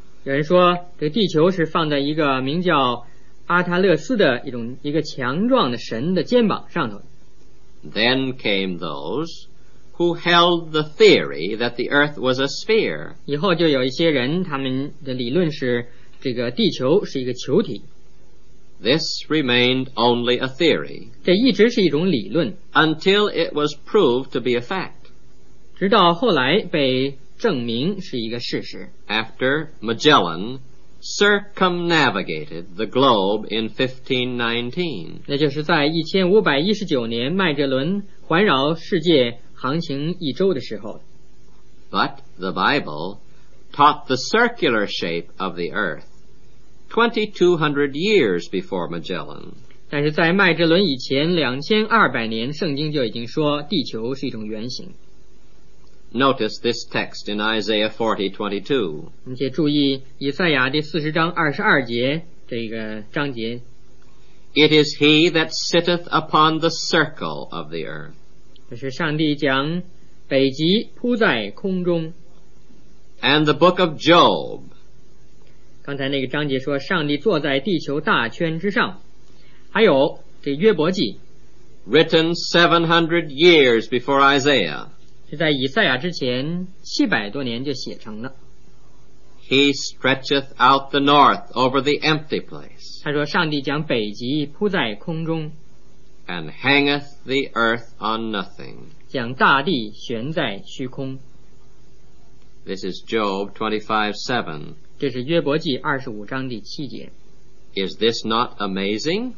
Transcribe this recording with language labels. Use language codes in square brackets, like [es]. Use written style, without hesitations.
[zh] 有人说这地球是放在一个名叫阿塔勒斯的一个强壮的神的肩膀上头。 [en] Then came those who held the theory that the earth was a sphere. [zh] 以后就有一些人，他们的理论是这个地球是一个球体。 [en] This remained only a theory. [zh] 这一直是一种理论。 [en] Until it was proved to be a fact. [zh] 直到后来被证明是一个事实。 [en] After Magellan circumnavigated the globe in 1519. [zh] 那就是在1519年麦哲伦环绕世界航行一周的时候。 [en] But the Bible taught the circular shape of the earth 2200 years before Magellan. [zh] 但是在麦哲伦以前2200年圣经就已经说地球是一种圆形。 [en] Notice this text in Isaiah 40:22. [zh] 你且注意以赛亚第40章22节这个章节。 [en] It is he that sitteth upon the circle of the earth. [zh] 这是上帝讲北极铺在空中。 [en] And the book of Job. [zh] 刚才那个章节说上帝坐在地球大圈之上。还有这约伯记。 [en] Written 700 years before Isaiah. [zh] 在以赛亚之前700多年就写成了。 [en] He stretcheth out the north over the empty place. [zh] 他说上帝将北极铺在空中。 [en] And hangeth the earth on nothing. [zh] 将大地悬在虚空。 [en] This is Job 25:7. [zh] 这是约伯记25章第7节。 [en] Is this not amazing?